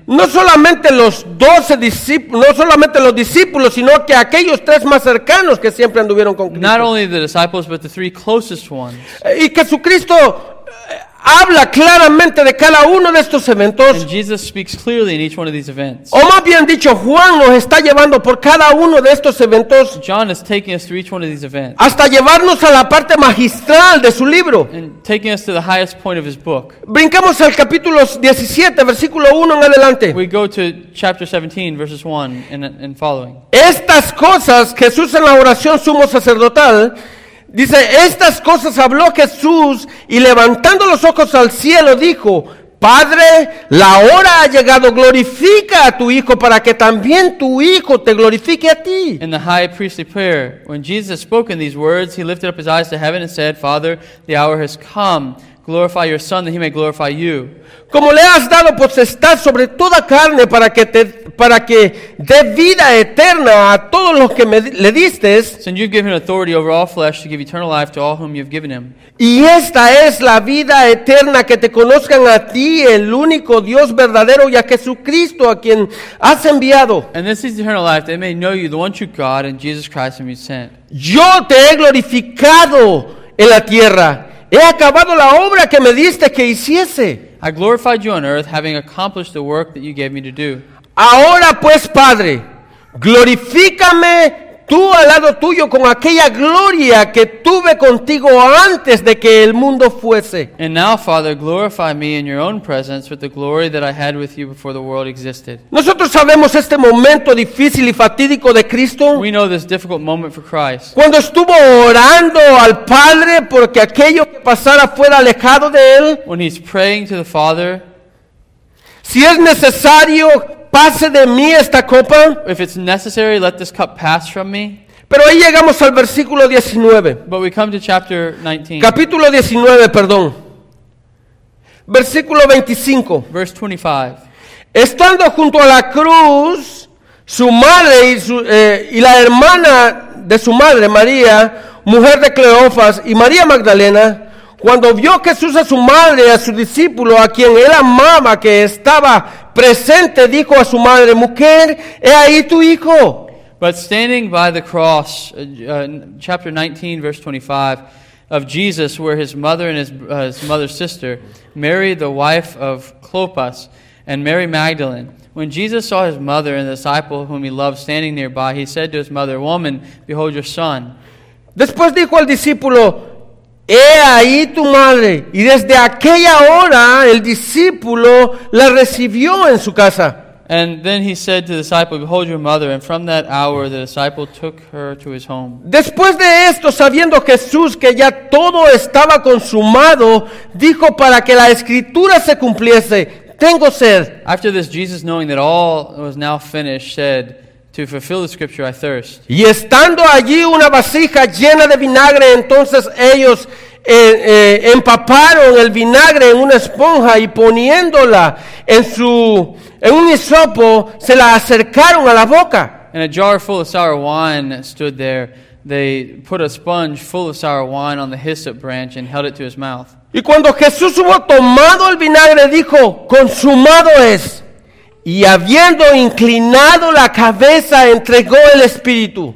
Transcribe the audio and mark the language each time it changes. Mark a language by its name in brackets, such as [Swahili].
[Spanish] No solamente los 12 discípulos, no solamente los discípulos, sino que aquellos tres más cercanos que siempre anduvieron con Cristo. [English] Not only the disciples, but the three closest ones. [Spanish] Y Jesucristo habla claramente de cada uno de estos eventos. [English] And Jesus speaks clearly in each one of these events. [Spanish] O más bien dicho, Juan nos está llevando por cada uno de estos eventos. [English] John is taking us through each one of these events. [Spanish] Hasta llevarnos a la parte magistral de su libro. [English] And taking us to the highest point of his book. [Spanish] Brincamos al capítulo 17, versículo 1 en adelante. [English] We go to chapter 17, verses 1 and following. [Spanish] Estas cosas, Jesús en la oración sumo sacerdotal, Dice, estas cosas habló Jesús y levantando los ojos al cielo dijo, Padre, la hora ha llegado, glorifica a tu Hijo para que también tu Hijo te glorifique a ti. [English] In the high priestly prayer, when Jesus had spoken these words, he lifted up his eyes to heaven and said, Father, the hour has come. Glorify your Son that he may glorify you. [Spanish] Como le has dado potestad sobre toda carne para que dé vida eterna a todos los que le diste. [English] So you've given authority over all flesh to give eternal life to all whom you've given him. [Spanish] Y esta es la vida eterna, que te conozcan a ti, el único Dios verdadero, y a Jesucristo a quien has enviado. [English] And this is eternal life, they may know you, the one true God, and Jesus Christ whom you sent. [Spanish] Yo te he glorificado en la tierra. He acabado la obra que me diste que hiciese. [English] I glorified you on earth, having accomplished the work that you gave me to do. [Spanish] Ahora pues, Padre, glorifícame tú al lado tuyo con aquella gloria que tuve contigo antes de que el mundo fuese. [English] And now, Father, glorify me in your own presence with the glory that I had with you before the world existed. [Spanish] Nosotros sabemos este momento difícil y fatídico de Cristo. [English] We know this difficult moment for Christ. [Spanish] Cuando estuvo orando al Padre porque aquello que pasara fuera alejado de él. [English] When he's praying to the Father. [Spanish] Si es necesario, pase de mí esta copa. [English] If it's necessary, let this cup pass from me. [Spanish] Pero ahí llegamos al versículo 19. [English] But we come to chapter 19. [Spanish] Capítulo 19, perdón. Versículo 25. [English] Verse 25. [Spanish] Estando junto a la cruz, su madre y la hermana de su madre, María, mujer de Cleofas, y María Magdalena, cuando vio Jesús a su madre y a su discípulo, a quien él amaba, que estaba presente, dijo a su madre, mujer, he ahí tu hijo. [English] But standing by the cross, chapter 19, verse 25, of Jesus, where his mother and his mother's sister, Mary, the wife of Clopas, and Mary Magdalene, when Jesus saw his mother and the disciple whom he loved standing nearby, he said to his mother, woman, behold your son. [Spanish] Después dijo al discípulo, he ahí tu madre. Y desde aquella hora el discípulo la recibió en su casa. [English] And then he said to the disciple, behold your mother. And from that hour the disciple took her to his home. [Spanish] Después de esto, sabiendo Jesús que ya todo estaba consumado, dijo para que la escritura se cumpliese, tengo sed. [English] After this, Jesus, knowing that all was now finished, said, to fulfill the scripture, I thirst. [Spanish] Y estando allí una vasija llena de vinagre, entonces ellos empaparon el vinagre en una esponja y poniéndola en un hisopo, se la acercaron a la boca. [English] And a jar full of sour wine stood there. They put a sponge full of sour wine on the hyssop branch and held it to his mouth. [Spanish] Y cuando Jesús hubo tomado el vinagre, dijo, consumado es. Y habiendo inclinado la cabeza, entregó el espíritu.